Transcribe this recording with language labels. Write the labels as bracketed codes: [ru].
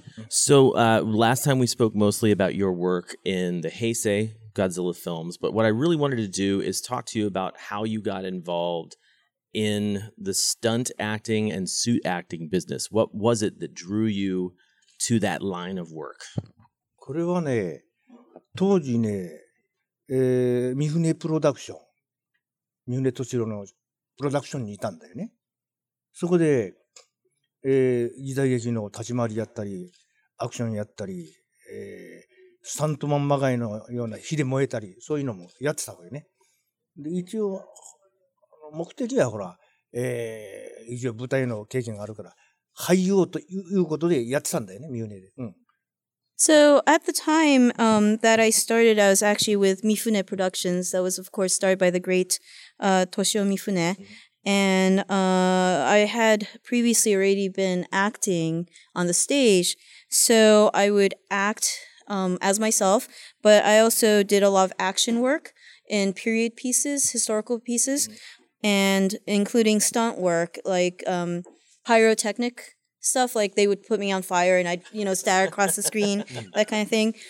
[en] So last time we spoke mostly about your work in the Heisei Godzilla films, but what I really wanted to do is talk to you about how you got involved in the stunt acting and suit acting business. What was it that drew you to that line of work? [ja] これはね、当時ね、三船プロダクション、三船敏郎のプロダクションにいたんだよね。そこで、時代劇の立ち回りやったり、アクションやったり、スタントマンまがいのような火で燃えたり、そういうのもやってたわけね。で、一応、目的はほら、一応舞台の経験があるから、俳優ということでやってたんだよね、ミフネで。うん。 [en] So at the time that I started, I was actually with Mifune Productions. That was, of course, started by the great Toshio Mifune. And I had previously already been acting on the stage. So I would act as myself, but I also did a lot of action work in period pieces, historical pieces, and including stunt work like pyrotechnic stuff, like they would put me on fire and I'd, you know, stare across the screen, that kind of thing.